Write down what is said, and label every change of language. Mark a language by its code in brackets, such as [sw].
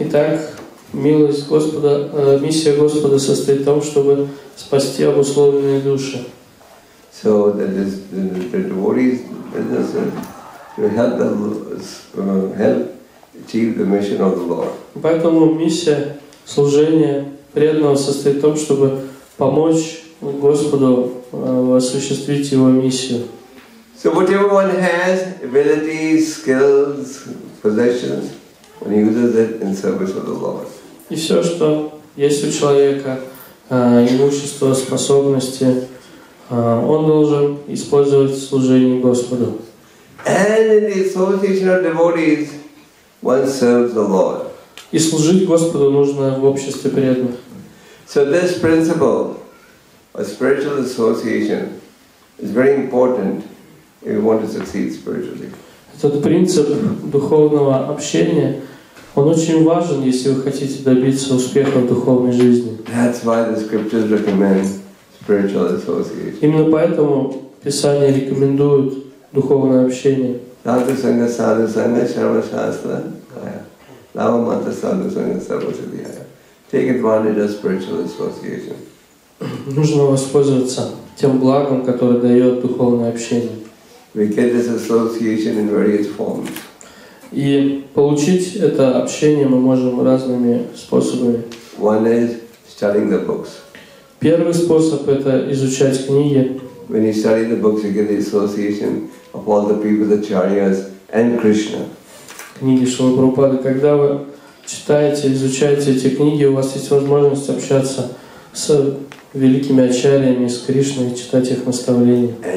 [ru] Итак, милость Господа, миссия Господа состоит в том, чтобы спасти обусловленные души. [en] So that is the devotee's business is to help the help achieve the mission of the Lord. [ru] Поэтому миссия служения преданного состоит в том, чтобы помочь Господу осуществить его миссию. [en] So whatever one has, abilities, skills, possessions, one uses it in service of the Lord. [ru] И все, что есть у человека, имущество, способности, он должен использовать в служении Господу. [en] And in the association of devotees, one serves the Lord. [ru] И служить Господу нужно в обществе преданных. [en] So this principle of spiritual association is very important. If you want to succeed spiritually. [ru] Этот принцип духовного общения, он очень важен, если вы хотите добиться успеха в духовной жизни. [en] That's why the scriptures recommend spiritual association. [ru] Именно поэтому Писание рекомендует духовное общение. [sa] Sadhu sangha, sadhu sangha, sarva shastra, lava mata sadhu sangha, sarva siddhaya. [en] Take advantage of spiritual association. [ru] Нужно воспользоваться тем благом, которое дает духовное общение. [en] We get this association in various forms. [ru] И получить это общение мы можем разными способами. [en] One is studying the books. [ru] Первый способ это изучать книги. [en] When you study the books, you get the association of all the people, the acharyas and Krishna. [ru] Книги Шрилы Прабхупады. Когда вы читаете, изучаете эти книги, у вас есть возможность общаться с великими ачарьями из Кришны и читать их наставления.